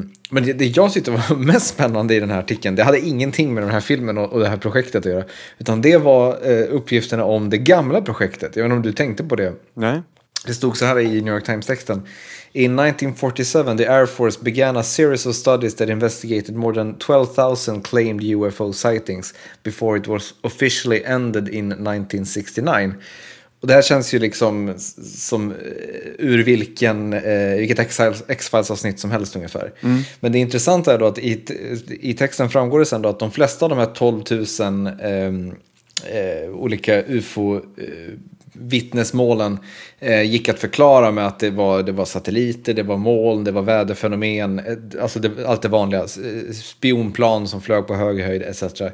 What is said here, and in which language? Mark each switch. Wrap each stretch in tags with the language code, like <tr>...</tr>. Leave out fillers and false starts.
<sv>Men det jag tyckte var mest spännande i den här artikeln, det hade ingenting med den här filmen och det här projektet att göra, utan det var uppgifterna om det gamla projektet. Jag vet inte om du tänkte på det. Nej. Det stod så här i New York Times-texten.</sv> <en>In 1947, the Air Force began a series of studies that investigated more than 12,000 claimed UFO sightings before it was officially ended in 1969.</en> <sv>Och det här känns ju liksom som ur vilket X-Files-avsnitt som helst ungefär. Mm. Men det intressanta är då att i texten framgår det sen då att de flesta av de här 12 000 olika UFO-vittnesmålen gick att förklara med att det var satelliter, det var moln, det var väderfenomen, alltså allt det vanliga, spionplan som flög på hög höjd etc.</sv>